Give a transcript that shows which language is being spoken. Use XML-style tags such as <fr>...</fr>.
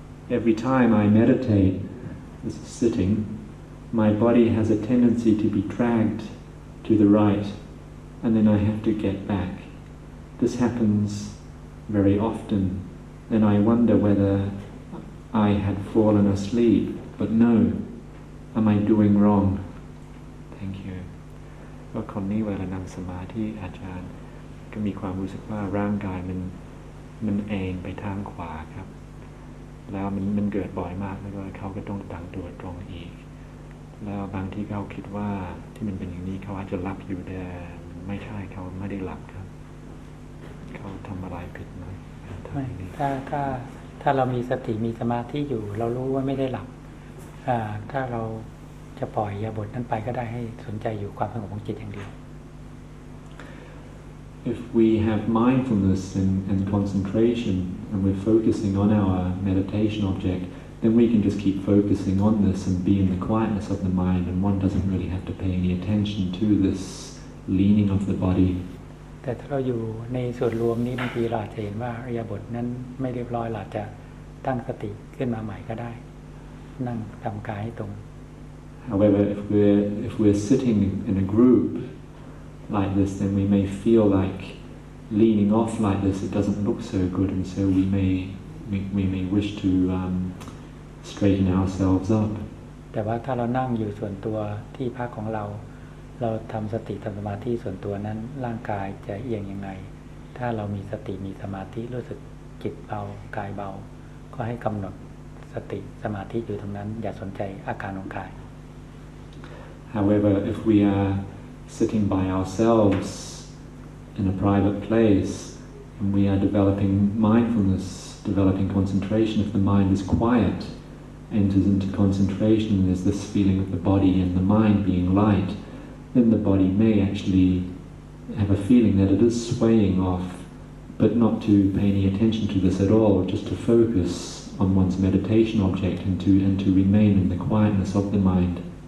<en>Every time I meditate, this is sitting, my body has a tendency to be dragged to the right, and then I have to get back. This happens very often, and I wonder whether I had fallen asleep, but no, am I doing wrong? Thank you.</en> <th>ว่าคนนี้เวลานั่งสมาธิอาจารย์ก็มีความรู้สึกว่าร่างกายมันเองไปทางขวาครับแล้วมันเกิดบ่อยมากแล้วก็เขาก็ต้องตั้งตัวตรงอีกแล้วบางที่เขาคิดว่าที่มันเป็นอย่างนี้เขาอาจจะหลับอยู่แต่ไม่ใช่เขาไม่ได้หลับครับเขาทำอะไรผิดไหม ไม่ถ้าเรามีสติมีสมาธิอยู่เรารู้ว่าไม่ได้หลับถ้าเราจะปล่อยยาบทนั้นไปก็ได้ให้สนใจอยู่ความสงบของจิตอย่างเดียว</th> <en>If we have mindfulness and concentration and we're focusing on our meditation object then we can just keep focusing on this and be in the quietness of the mind and one doesn't really have to pay any attention to this leaning of the body</en> <th>แต่ถ้าเราอยู่ในส่วนรวมนี้บางทีเราจะเห็นว่าอริยบทนั้นไม่เรียบร้อยเราจะตั้งสติขึ้นมาใหม่ก็ได้นั่งทำกายให้ตรง</th> <en>However if we're sitting in a group like this then we may feel like leaning off like this it doesn't look so good and so we may wish to straighten ourselves up</en> <th>แต่ว่าถ้าเรานั่งอยู่ส่วนตัวที่พักของเราเราทำสติทำสมาธิส่วนตัวนั้นร่างกายจะเอียงยังไงถ้าเรามีสติมีสมาธิรู้สึกจิตเบากายเบาก็ให้กำหนดสติสมาธิอยู่ตรงนั้นอย่าสนใจอาการของกาย</th> <en>However if we are sitting by ourselves in a private place and we are developing mindfulness developing concentration if the mind is quiet enters into concentration there's this feeling of the body and the mind being lightThen the body may actually have a feeling that it is swaying off, but not to pay any attention to this at all, just to focus on one's meditation object and to remain in the quietness of the mind.</en>